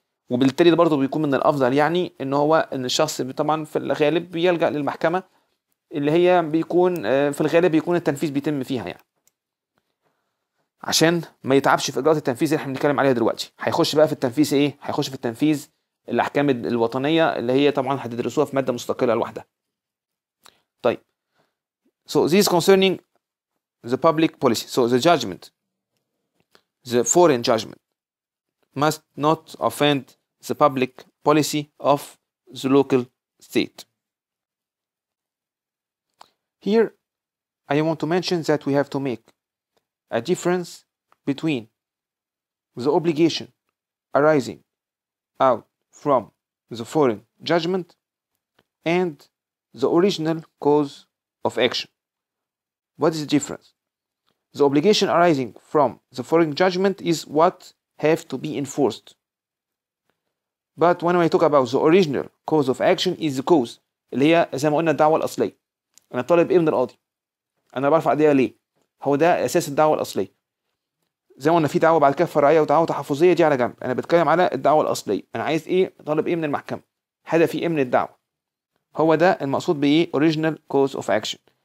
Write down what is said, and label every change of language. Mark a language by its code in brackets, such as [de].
[ar] وبالتالي ده برضه بيكون من الافضل يعني ان هو ان الشخص طبعا في الغالب بيلجأ للمحكمه اللي هي بيكون في الغالب بيكون التنفيذ بيتم فيها, يعني عشان ما يتعبش في اجراءات التنفيذ اللي احنا بنتكلم عليها دلوقتي. هيخش بقى في التنفيذ ايه؟ هيخش في التنفيذ الاحكام الوطنيه اللي هي طبعا هتدرسوها في ماده مستقله لوحدها. [en] طيب so this concerning the public policy. So the judgment, the foreign judgment, must not offend the public policy of the local state. Here, I want to mention that we have to make a difference between the obligation arising out from the foreign judgment and the original cause of action. What is the difference? The obligation arising from the foreign judgment is what have to be enforced. But when we talk about the original cause of action is the cause [ar] اللي هي زي ما قلنا الدعوة الأصلية. أنا طالب إيه من القاضي؟ أنا برفع قضية ليه؟ هو ده أساس الدعوة الأصلية. زي ما قلنا في دعوة بعد كده فرعية ودعوة تحفظية, دي على جنب. أنا بتكلم على الدعوة الأصلية. أنا عايز إيه؟ طالب إيه من المحكمة؟ هدفي إيه من الدعوة؟ هو ده المقصود بإيه؟ [en] original cause of action.